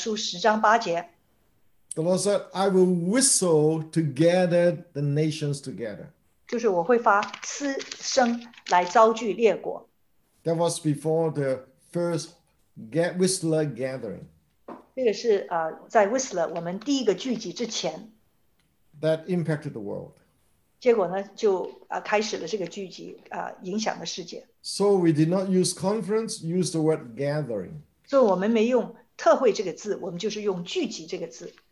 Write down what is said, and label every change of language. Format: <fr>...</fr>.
<zh>就是当我们一起等候神的时候呢,圣灵呢,就给他这个知识的语言,就是呢,给他撒加利亚书十章八节。</zh> <en>The Lord said, I will whistle to gather the nations together.</en> <zh>就是我会发嘶声来招聚列国。</zh> <en>That was before the first Whistler gathering.</en> <zh>这个是在Whistler我们第一个聚集之前。</zh> <en>That impacted the world.</en> <zh>结果呢,就开始了这个聚集,影响了世界。</zh> <en>So we did not use conference, use the word gathering.</en> <zh>所以我们没用特会这个字,我们就是用聚集这个字。</zh>